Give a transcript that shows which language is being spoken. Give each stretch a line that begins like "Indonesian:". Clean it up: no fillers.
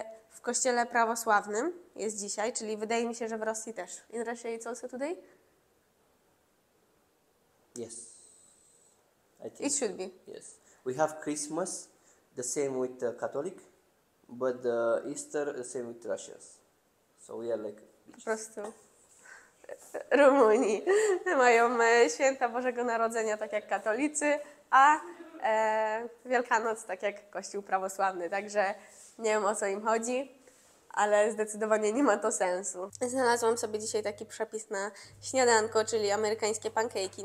Polish: W kościele prawosławnym jest dzisiaj, czyli wydaje mi się, że w Rosji też.
English: In Russia it's also today? Yes. I think it should be. Yes. We have Christmas, the same with the Catholic, but the Easter, the same with Russians. So we are like...
Polish: Po prostu... Rumunii. Mają święta Bożego Narodzenia, tak jak katolicy, a Wielkanoc, tak jak kościół prawosławny, także... Nie wiem, o co im chodzi, ale zdecydowanie nie ma to sensu. Znalazłam sobie dzisiaj taki przepis na śniadanko, czyli amerykańskie pancake'i.